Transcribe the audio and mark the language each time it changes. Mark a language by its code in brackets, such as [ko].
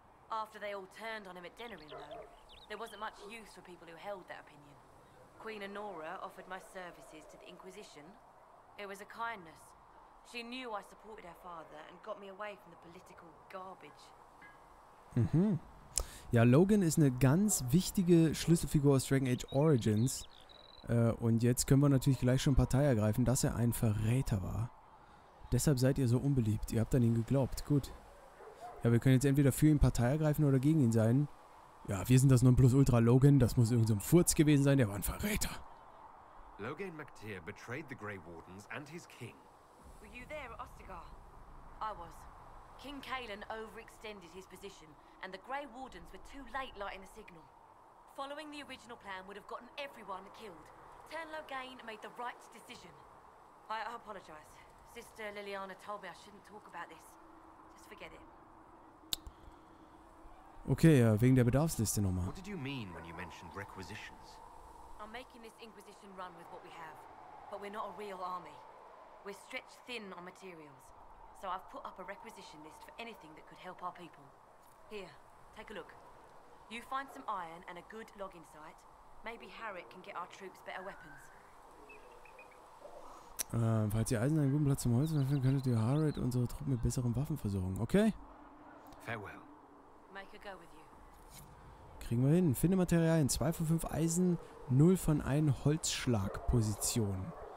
[en] After they all turned on him at Denerin, though, there wasn't much use for people who held that opinion. Queen Honora offered my services to the Inquisition. It was a kindness. She knew I supported her father and got me away from the political garbage. Mhm. [de] Ja, Loghain ist eine ganz wichtige Schlüsselfigur aus Dragon Age Origins. Und jetzt können wir natürlich gleich schon Partei ergreifen, dass er ein Verräter war. Deshalb seid ihr so unbeliebt. Ihr habt an ihn geglaubt. Gut. Ja, wir können jetzt entweder für ihn Partei ergreifen oder gegen ihn sein. Ja, wir sind das Nonplusultra Loghain. Das muss irgendein Furz gewesen sein. Der war ein Verräter. [en] Loghain MacTyr betrayed the Grey Wardens and his king. Were you there, Ostagar? I was. King Kaelin overextended his position. And the Grey Wardens were too late lighting the signal. Following the original plan would have gotten everyone killed. Ten Loghain made the right decision. I apologize. Sister Liliana told me I shouldn't talk about this. Just forget it. [de] Okay, wegen der Bedarfsliste nochmal. [en] What did you mean when you mentioned requisitions? I'm making this Inquisition run with what we have. But we're not a real army. We're stretched thin on materials. So I've put up a requisition list for anything that could help our people. Here, take a look. You find some iron and a good logging site. Maybe Harrit can get our troops better weapons. [de] Falls ihr Eisen einen guten Platz zum Häuser finden, könntet ihr Harrit unsere Truppen mit besseren Waffen versorgen. Okay? [en] Farewell. Make a go with you. [de] Kriegen wir hin. Finde Materialien. 2 von 5 Eisen, 0 von 1 Holzschlagposition.